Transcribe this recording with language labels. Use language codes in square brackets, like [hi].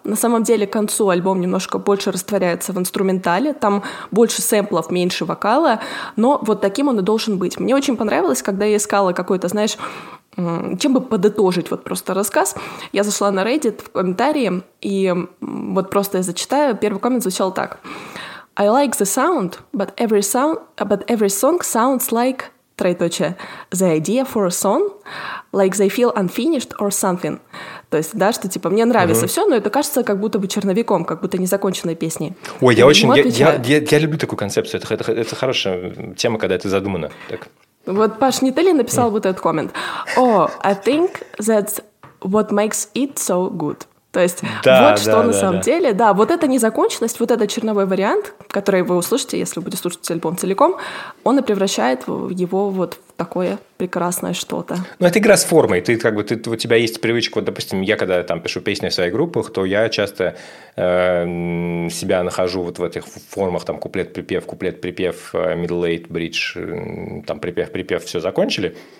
[ru] На самом деле к концу альбом немножко больше растворяется в инструментале. Там больше сэмплов, меньше вокала. Но вот таким он и должен быть. Мне очень понравилось, когда я искала какой-то, знаешь, чем бы подытожить вот просто рассказ. Я зашла на Reddit в комментарии, и вот просто я зачитаю. Первый коммент звучал так. [en] I like the sound, but every sound, but every song sounds like... [ru] Троеточие. [en] The idea for a song, like they feel unfinished or something. [ru] То есть, да, что типа мне нравится все, но это кажется как будто бы черновиком, как будто незаконченной песней. Ой, я очень... Я люблю такую концепцию. Это хорошая тема, когда это задумано. Так. Вот Паш Нители написал вот этот коммент. [en] Oh, I think that's what makes it so good. [ru] То есть деле, да, вот эта незаконченность, вот этот черновой вариант, который вы услышите, если вы будете слушать альбом целиком, он и превращает его вот в такое прекрасное что-то. Ну, это игра с формой, ты как бы, ты, у тебя есть привычка, вот, допустим, я когда там пишу песни в своих группах, то я часто себя нахожу вот в этих формах, там, куплет-припев, middle eight, bridge, там, припев, все закончили.